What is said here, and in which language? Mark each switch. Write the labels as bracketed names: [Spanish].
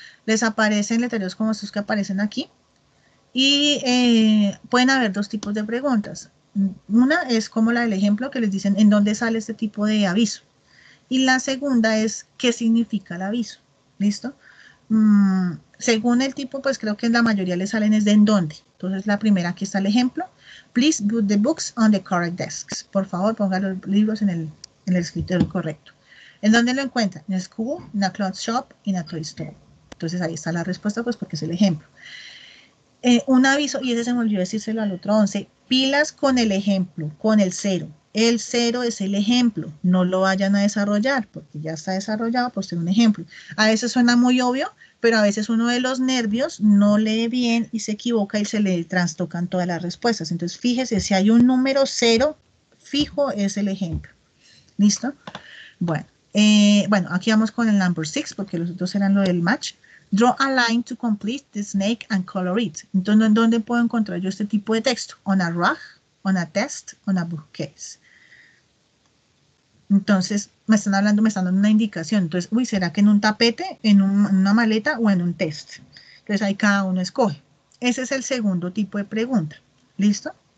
[Spanish] Les aparecen letreros como estos que aparecen aquí. Y pueden haber dos tipos de preguntas. Una es como la del ejemplo que les dicen, ¿en dónde sale este tipo de aviso? Y la segunda es, ¿qué significa el aviso? ¿Listo? Según el tipo, pues creo que la mayoría le salen es de ¿en dónde? Entonces, la primera, aquí está el ejemplo. [English] Please put the books on the correct desks. [Spanish] Por favor, ponga los libros en el escritorio correcto. ¿En dónde lo encuentra? [English] In a school, in a cloth shop, in a toy store. [Spanish] Entonces, ahí está la respuesta, pues porque es el ejemplo. Un aviso, y ese se me olvidó decírselo al otro 11, pilas con el ejemplo, con el 0. El 0 es el ejemplo, no lo vayan a desarrollar, porque ya está desarrollado, pues tengo un ejemplo. A veces suena muy obvio, pero a veces uno de los nervios no lee bien y se equivoca y se le trastocan todas las respuestas. Entonces, fíjese, si hay un número 0, fijo es el ejemplo. ¿Listo? Bueno, aquí vamos con el number 6, porque los otros eran lo del match. [English] Draw a line to complete the snake and color it. [Spanish] Entonces, ¿en dónde puedo encontrar yo este tipo de texto? [English] On a rug, on a test, on a bookcase. [Spanish] Entonces, me están dando una indicación. Entonces, uy, ¿será que en un tapete, en una maleta o en un test? Entonces, ahí cada uno escoge. Ese es el segundo tipo de pregunta. ¿Listo?